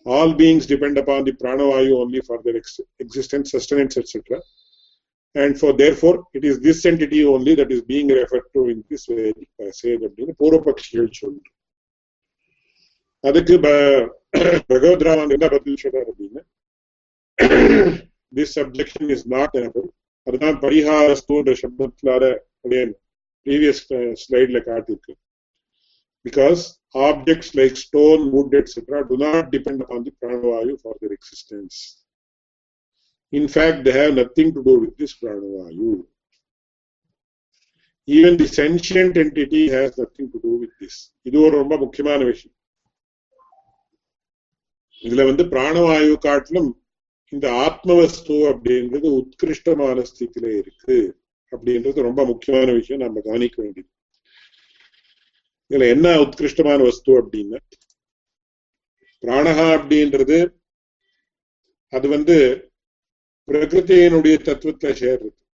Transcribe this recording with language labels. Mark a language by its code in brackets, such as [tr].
[en] all beings depend upon the பிராணவாயு only for their existence sustenance etcetera and for therefore it is this entity only that is being refer to in this [ta] அப்படின்னு பூர்வபக்ஷிகள் சொல்றேன். அதுக்கு பகவத் ராமன் என்ன பதில் சொல்றார் அப்படின்னு, [en] this objection is not enough. [ta] அதுதான் பரிஹாரஸ்தூன்ற சப்தத்தினால அப்படியே previous ஸ்லைட்ல காட்டிருக்கு. [en] Because objects like stone, wood, etc. do not depend upon the pranavayu for their existence. In fact, they have nothing to do with this Pranavayu. Even the sentient entity has nothing to do with this. [ta] இது ஒரு ரொம்ப முக்கியமான விஷயம். இதுல வந்து பிராணவாயு காட்டிலும் இந்த ஆத்மவஸ்து அப்படின்றது உத்கிருஷ்டமான ஸ்தித்தில இருக்கு அப்படின்றது ரொம்ப முக்கியமான விஷயம், நம்ம கவனிக்க வேண்டியது. இதுல என்ன உத்கிருஷ்டமான வஸ்து அப்படின்னா, பிராணகா அப்படின்றது அது வந்து பிரகிருத்தியினுடைய தத்துவத்தை சேர்றது.